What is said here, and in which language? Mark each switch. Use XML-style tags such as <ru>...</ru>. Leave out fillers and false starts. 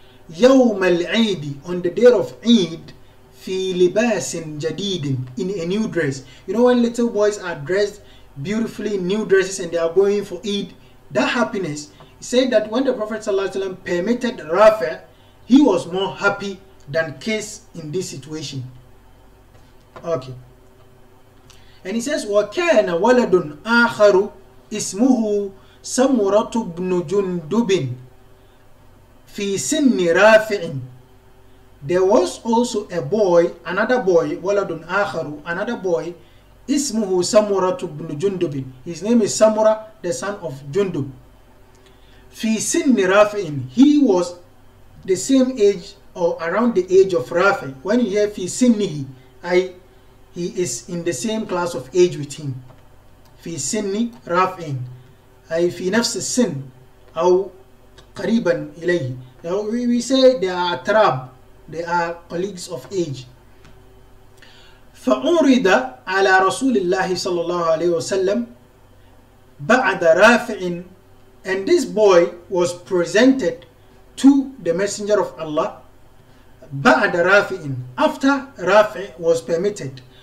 <ar>يوم العيد</ar> <en>on the day of Eid</en> <ar>في لباس جديد</ar> <en>in a new dress. You know when little boys are dressed beautifully in new dresses and they are going for Eid, that happiness. He said that when the Prophet Sallallahu Alaihi Wasallam permitted Rafa, he was more happy than Kays in this situation. Okay. And he says,</en> <ar>وكان ولد آخر اسمه سمرة بن جندب في سن رافع.</ar> <en>There was also a boy, another boy,</en> <ar>ولد آخر,</ar> <en>another boy,</en> <ar>اسمه سمرة بن جندب.</ar> <en>His name is Samura, the son of Jundub.</en> <ar>في سن رافع.</ar> <en>He was the same age or around the age of رافع. When you hear</en> <ar>في سنه,</ar> <en>he is in the same class of age with him.</en> <ar>في سن رافع أي في نفس السن أو قريبا إليه.</ar> <en>We say they are أتراب, they are colleagues of age.</en> <ar>فعرض على رسول الله صلى الله عليه وسلم بعد رافع</ar> <en>and this boy was presented to the messenger of Allah</en> <ar>بعد رافع</ar> <en>after رافع was permitted.</en>